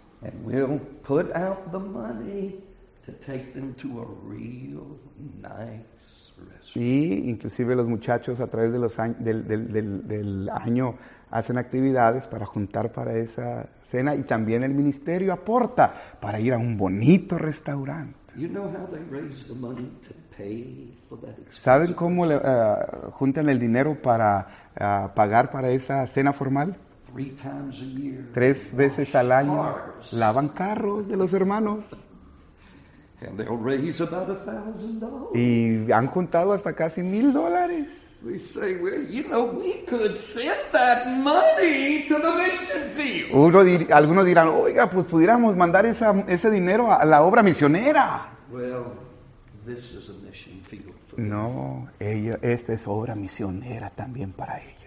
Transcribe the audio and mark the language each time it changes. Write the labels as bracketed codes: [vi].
[en] And we'll put out the money to take them to a real nice restaurant. [es] Y inclusive los muchachos a través de los años, del año hacen actividades para juntar para esa cena y también el ministerio aporta para ir a un bonito restaurante. [en] You know how they raise the money to pay for that expensive. [es] ¿Saben cómo le, juntan el dinero para pagar para esa cena formal? [en] Three times a year, [es] tres veces al año lavan carros de los hermanos. [en] And they'll raise about $1,000. [es] Y han juntado hasta casi $1,000. [en] They say, well, you know, we could send that money to the mission field. [es] Algunos dirán, oiga, pues pudiéramos mandar ese dinero a la obra misionera. [en] Well, this is a mission field for them. [es] No, ellos, esta es obra misionera también para ellos.